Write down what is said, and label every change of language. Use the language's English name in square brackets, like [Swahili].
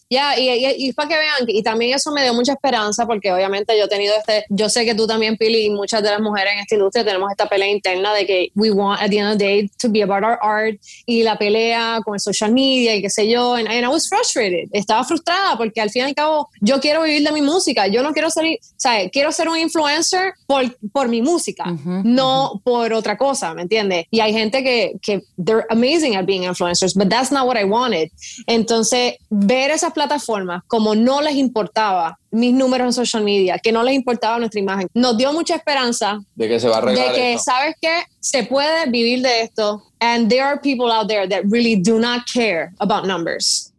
[Spanish] y para que vean, y también eso me dio mucha esperanza porque obviamente yo he tenido yo sé que tú también, Pili, y muchas de las mujeres en esta industria tenemos esta pelea interna de que [English] we want at the end of the day to be about our art [Spanish] y la pelea con el social media y qué sé yo. [English] And I was frustrated. [Spanish] Estaba frustrada porque al fin y al cabo yo quiero vivir de mi música, yo no quiero salir, ¿sabes? Quiero ser un influencer por mi música, por otra cosa, ¿me entiendes? Y hay gente que [English] they're amazing at being influencers, but that's not what I wanted. [Spanish] Entonces, ver esas plataformas como no les importaba mis números en social media, que no les importaba nuestra imagen, nos dio mucha esperanza de que se va a arreglar de que, esto. ¿Sabes qué? Se puede vivir de esto, [English] and there are people out there that really do not care about numbers.